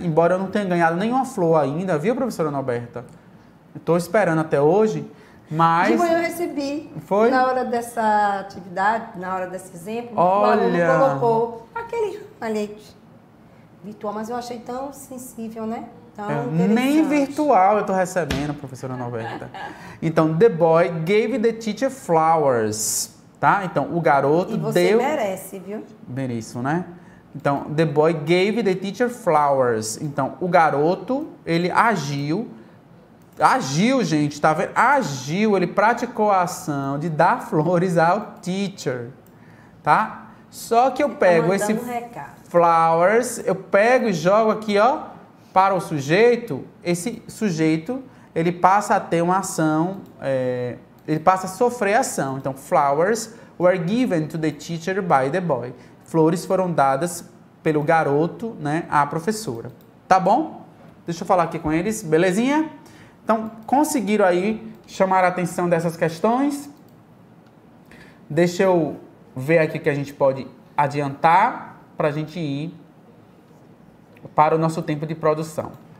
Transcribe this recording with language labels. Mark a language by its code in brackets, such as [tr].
[pt] Embora eu não tenha ganhado nenhuma flor ainda, viu, professora Norberta? Estou esperando até hoje, mas... De manhã eu recebi. Foi? Na hora dessa atividade, na hora desse exemplo, olha, o aluno colocou aquele ramalhete virtual, mas eu achei tão sensível, né? Tão Nem virtual eu estou recebendo, professora Norberta. [en] Então, the boy gave the teacher flowers, tá? [pt] Então, o garoto deu... E você merece, viu? Mereço, né? Então, [en] the boy gave the teacher flowers. [pt] Então, o garoto, ele agiu... Agiu, gente, tá vendo? Agiu, ele praticou a ação de dar flores ao teacher, tá? Só que eu pego esse flowers, eu pego e jogo aqui, ó, para o sujeito. Esse sujeito, ele passa a ter uma ação, ele passa a sofrer ação. [en] Então, flowers were given to the teacher by the boy. [pt] Flores foram dadas pelo garoto, né, à professora. Tá bom? Deixa eu falar aqui com eles, belezinha? Então, conseguiram aí chamar a atenção dessas questões? Deixa eu ver aqui o que a gente pode adiantar para a gente ir para o nosso tempo de produção.